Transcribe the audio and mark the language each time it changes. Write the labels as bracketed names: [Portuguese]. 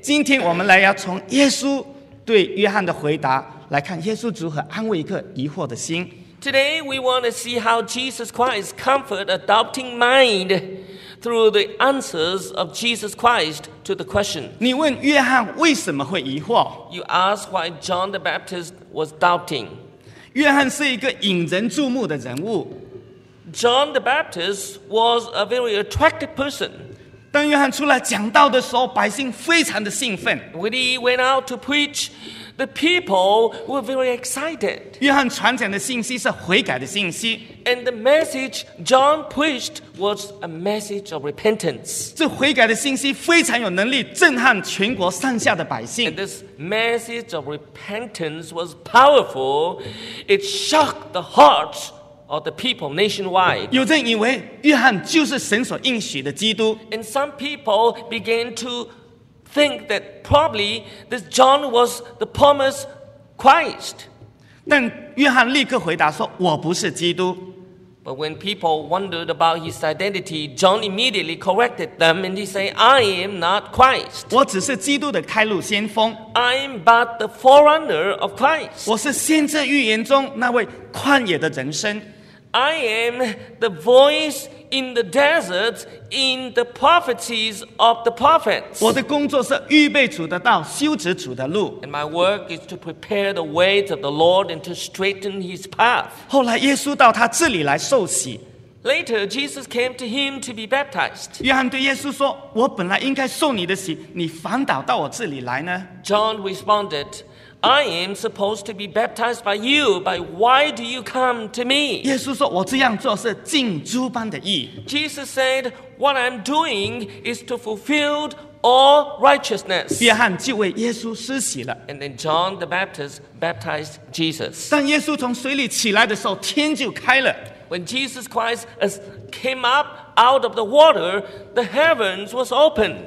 [Chinese] 今天我们来要从耶稣对约翰的回答来看耶稣如何安慰一个疑惑的心。 [English] Today we want to see how Jesus Christ comforted a doubting mind. Through the answers of Jesus Christ to the question. [Chinese] 你问约翰为什么会疑惑？ [English] You ask why John the Baptist was doubting. [Chinese] 约翰是一个引人注目的人物。 [English] John the Baptist was a very attractive person. [Chinese] 当约翰出来讲道的时候，百姓非常的兴奋。 [English] When he went out to preach, the people were very excited. [Chinese] 约翰传讲的信息是悔改的信息。 [English] And the message John preached was a message of repentance. [Chinese] 这悔改的信息非常有能力震撼全国上下的百姓。 [English] And this message of repentance was powerful. It shocked the hearts of the people nationwide. [Chinese] 有人以为约翰就是神所应许的基督。 [English] And some people began to think that probably this John was the promised Christ. [Chinese] 但约翰立刻回答说，我不是基督。 [English] But when people wondered about his identity, John immediately corrected them and he said, I am not Christ. [Chinese] 我只是基督的开路先锋。 [English] I am but the forerunner of Christ. [Chinese] 我是先知预言中那位旷野的人声。 [English] I am the voice in the desert, in the prophecies of the prophets. [Chinese] 我的工作是预备主的道，修直主的路。 [English] And my work is to prepare the ways of the Lord and to straighten his path. [Chinese] 后来耶稣到他这里来受洗。 [English] Later, Jesus came to him to be baptized. [Chinese] 约翰对耶稣说，我本来应该受你的洗，你反倒到我这里来呢？ [English] John responded, I am supposed to be baptized by you, but why do you come to me? [Chinese] 耶稣说，我这样做是尽诸般的义。 [English] Jesus said, what I'm doing is to fulfill all righteousness. [Chinese] 约翰就为耶稣施洗了。 [English] And then John the Baptist baptized Jesus. [Chinese] 当耶稣从水里起来的时候，天就开了。 [English] When Jesus Christ came up out of the water, the heavens was opened.